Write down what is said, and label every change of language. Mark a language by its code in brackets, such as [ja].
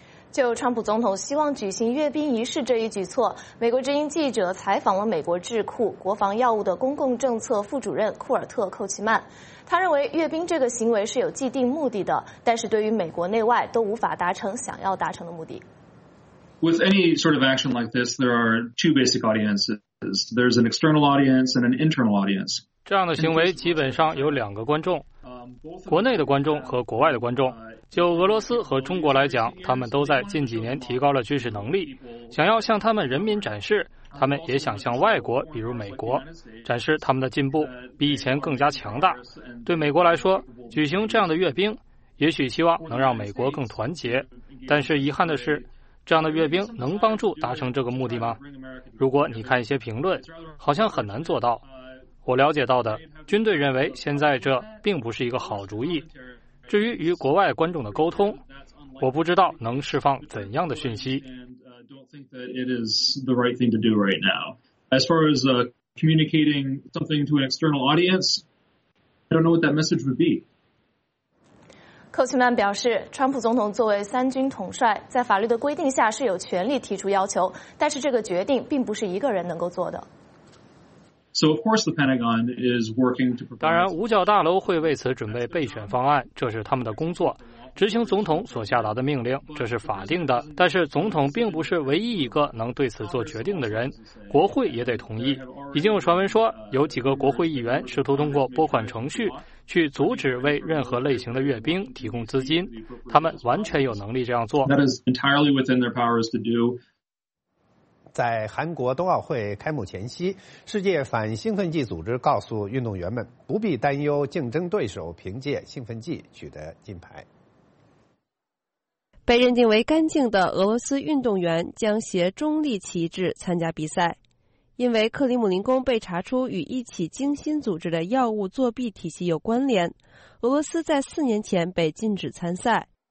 [zh] 就川普总统希望举行阅兵仪式这一举措，美国之音记者采访了美国智库国防药物的公共政策副主任库尔特·寇奇曼。他认为阅兵这个行为是有既定目的的，但是对于美国内外都无法达成想要达成的目的。 [en] With any sort of action like this, there are two basic audiences. There's an external audience and an internal audience. [zh] 这样的行为基本上有两个观众，国内的观众和国外的观众。就俄罗斯和中国来讲，他们都在近几年提高了军事能力，想要向他们人民展示，他们也想向外国，比如美国，展示他们的进步，比以前更加强大。对美国来说，举行这样的阅兵，也许希望能让美国更团结，但是遗憾的是，这样的阅兵能帮助达成这个目的吗？如果你看一些评论，好像很难做到。我了解到的，军队认为现在这并不是一个好主意。至于与国外观众的沟通，我不知道能释放怎样的讯息。 [en] don't think that it is the right thing to do right now. As far as communicating something to an external audience, I don't know what that message would be. [zh] 科奇曼表示，川普总统作为三军统帅，在法律的规定下是有权利提出要求，但是这个决定并不是一个人能够做的。 [en] So of course the Pentagon is working to prepare. [zh] 当然，五角大楼会为此准备备选方案，这是他们的工作，执行总统所下达的命令，这是法定的。但是总统并不是唯一一个能对此做决定的人，国会也得同意。已经有传闻说，有几个国会议员试图通过拨款程序去阻止为任何类型的阅兵提供资金，他们完全有能力这样做。 [en] That is entirely within their powers to do. [zh] 在韩国冬奥会开幕前夕，世界反兴奋剂组织告诉运动员们不必担忧竞争对手凭借兴奋剂取得金牌。被认定为干净的俄罗斯运动员将携中立旗帜参加比赛，因为克里姆林宫被查出与一起精心组织的药物作弊体系有关联，俄罗斯在四年前被禁止参赛。